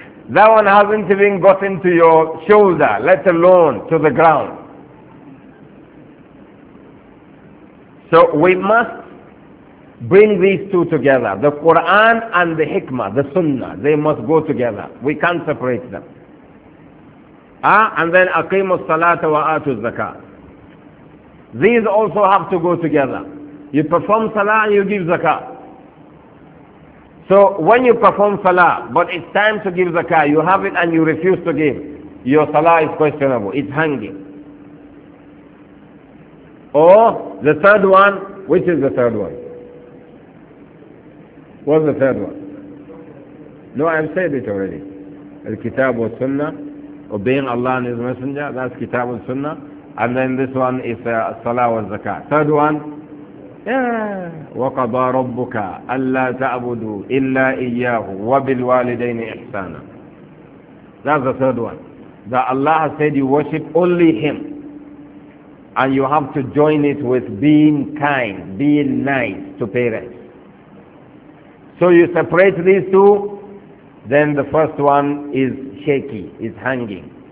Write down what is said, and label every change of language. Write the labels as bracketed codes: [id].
[en] That one hasn't even gotten to your shoulder, let alone to the ground. So we must bring these two together. The Quran and the Hikmah, the Sunnah, they must go together. We can't separate them. And then [ar] أَقِيمُ الصَّلَاةَ وَآتُ الزَّكَاةَ. [en] These also have to go together. You perform Salah, you give Zakah. So when you perform Salah, but it's time to give Zakah, you have it and you refuse to give, your Salah is questionable, it's hanging. Or the third one, which is the third one? What's the third one? No, I've said it already. Al-Kitab wa Sunnah, obeying Allah and His Messenger, that's Kitab wa Sunnah. And then this one is Salah wa Zakah. Third one, [ar] وَقَضَى رَبُّكَ أَلَّا تَعْبُدُوا إِلَّا إِيَّاهُ وَبِالْوَالِدَيْنِ إِحْسَانًا. [en] That's the third one. That Allah has said you worship only Him. And you have to join it with being kind, being nice to parents. So you separate these two, then the first one is shaky, is hanging.